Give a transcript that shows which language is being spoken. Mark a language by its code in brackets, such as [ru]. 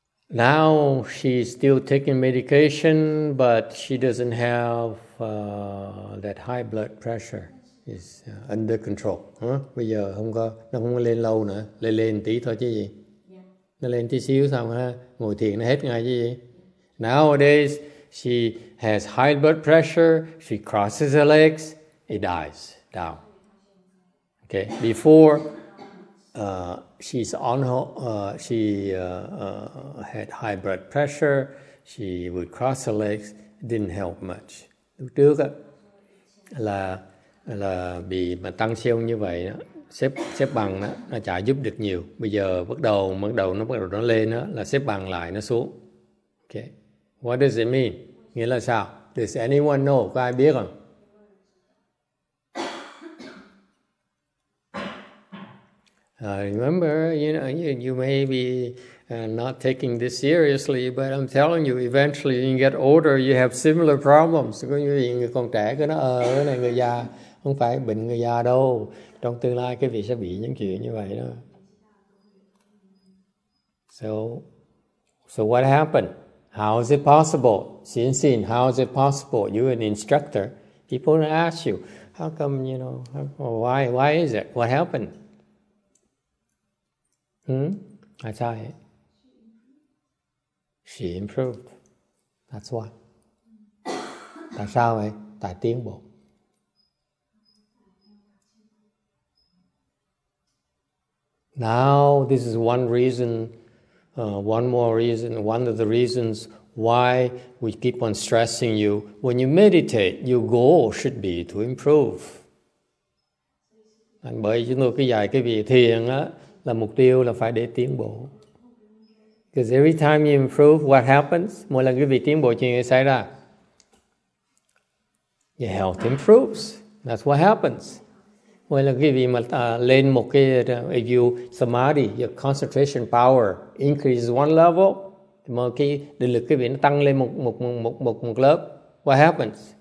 [en] Now she's still taking medication, but she doesn't have that high blood pressure. It's under control. [vi] Bây giờ không có, nó không có lên lâu nữa. Lên tí thôi chứ gì? Nó lên tí xíu xong ha, ngồi thiền nó hết ngay chứ gì? [en] Nowadays, she has high blood pressure, she crosses her legs, it dies down. Okay. Before, had high blood pressure, she would cross her legs, didn't help much. [vi] Lúc trước á, là bị mà tăng siêu như vậy á, xếp bằng á, nó chả giúp được nhiều. Bây giờ bắt đầu nó lên á, là xếp bằng lại nó xuống. [en] Okay. What does it mean? [vi] Nghĩa là sao? [en] Does anyone know? [vi] Có ai biết không? [en] Remember, you know, you may be not taking this seriously, but I'm telling you, eventually when you get older, you have similar problems. [vi] Có như vậy, người còn trẻ cứ nói, cái này người già, không phải bệnh người già đâu. Trong tương lai, cái việc sẽ bị những chuyện như vậy đó. [en] So what happened? How is it possible? Xin, how is it possible? You're an instructor. People ask you, how come, you know, why is it? What happened? I tell you. She improved. That's why. [vi] Tại sao vậy? Tại tiến bộ. [en] Now, this is one reason, one of the reasons why we keep on stressing you. When you meditate, your goal should be to improve. [vi] And bởi chúng tôi cứ dạy cái việc thiền á, là mục tiêu là phải để tiến bộ. [en] Because every time you improve, what happens? [vi] Mỗi lần quý vị tiến bộ, chuyện gì xảy ra? [en] Your health improves. That's what happens. [vi] Mỗi lần quý vị mà lên một cái, [en] if you samadhi, your concentration power increases one level, [vi] thì mỗi khi định lực quý vị nó tăng lên một lớp, [en] what happens?